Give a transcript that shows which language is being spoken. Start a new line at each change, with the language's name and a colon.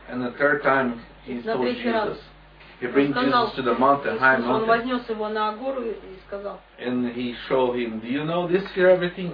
English: And the third time he told Jesus, he bring
Russian: сказал,
English: Jesus to the mountain,
Russian: Иисус,
English: high mountain.
Russian: Он вознес его на гору и сказал.
English: And he showed him, do you know this here everything?